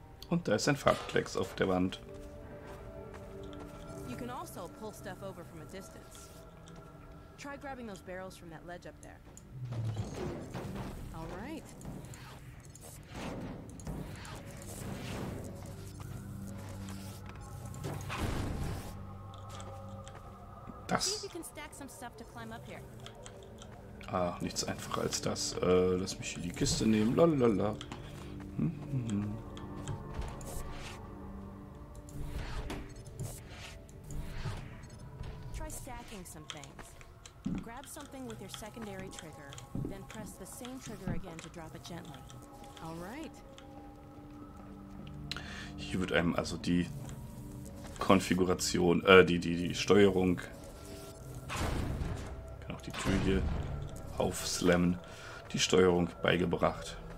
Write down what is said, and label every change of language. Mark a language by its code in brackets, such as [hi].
[de] Und da ist ein Farbklecks auf der Wand. [en] You can also pull stuff over from a distance. Try grabbing those barrels from that ledge up there. All right. [de] Das. [en] See if you can stack some stuff to climb up here. [de] Ah, nichts einfacher als das. Lass mich hier die Kiste nehmen. Lalala. [en] Try stacking some things. Grab something with your secondary trigger, then press the same trigger again to drop it gently. All right. [de] Hier wird einem also die Konfiguration, die Steuerung, kann auch die Tür hier aufslammen, die Steuerung beigebracht.